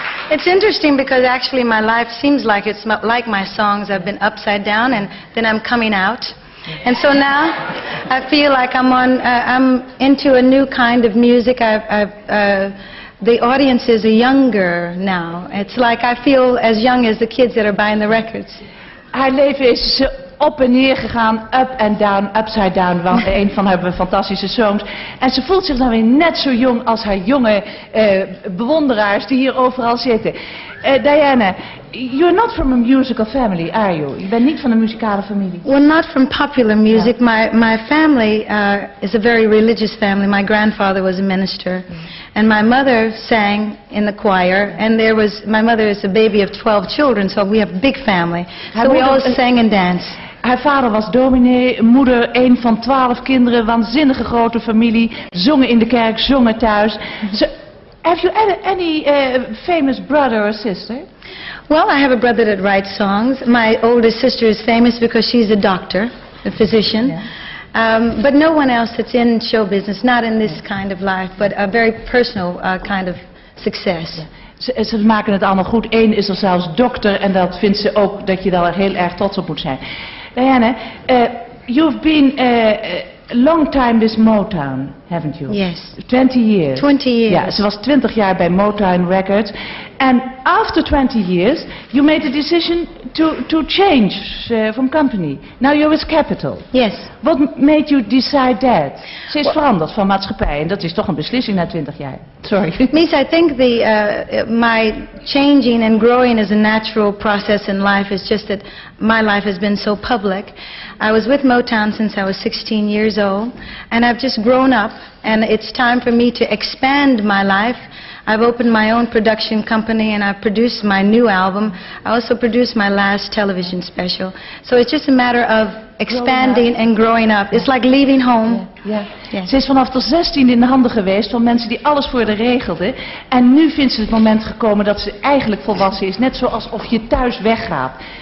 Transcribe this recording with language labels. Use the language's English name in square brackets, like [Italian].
[English] It's interesting because actually my life seems like it's like my songs. I've been upside down and then I'm coming out. And so now I feel like I'm into a new kind of music. The audiences are younger now. It's like I feel as young as the kids that are buying the records. [Dutch] Haar leven is op en neer gegaan, [English] up and down, upside down, [Dutch] want een van haar fantastische songs. En ze voelt zich dan weer net zo jong als haar jonge bewonderaars die hier overal zitten. [English] Diana, you're not from a musical family, are you? [Dutch] Je bent niet van een muzikale familie. [English] Well, not from popular music. Yeah. My family is a very religious family. My grandfather was a minister. Mm. And my mother sang in the choir. Mm. And there was, my mother is a baby of 12 children, so we have a big family. So we all sang and danced. [Dutch] Haar vader was dominee, moeder een van 12 kinderen, waanzinnige grote familie, zongen in de kerk, zongen thuis. [English] So, have you any famous brother or sister? Well, I have a brother that writes songs. My oldest sister is famous because she's a doctor, a physician. Yeah. But no one else that's in show business, not in this kind of life, but a very personal kind of success. Yeah. [Dutch] Ze maken het allemaal goed. Eén is er zelfs dokter en dat vindt ze ook dat je daar heel erg trots op moet zijn. [English] Diana, you've been a long time with Motown, haven't you? Yes. 20 years. 20 years. [Dutch] Ja, ze was 20 jaar bij Motown Records. [English] And after 20 years, you made a decision to change from company. Now you're with Capital. Yes. What made you decide that? [Dutch] Ze is veranderd van maatschappij en dat is toch een beslissing na 20 jaar. [English] Sorry. Mies, I think my changing and growing is a natural process in life. It's just that my life has been so public. I was with Motown since I was 16 years old. And I've just grown up. And it's time for me to expand my life. I've opened my own production company and I've produced my new album. I also produced my last television special. So it's just a matter of expanding and growing up. It's like leaving home. Yeah. [Dutch] Ze is vanaf de 16 in de handen geweest van mensen die alles voor haar regelden. En nu vindt ze het moment gekomen dat ze eigenlijk volwassen is. Net zoals of je thuis weggaat.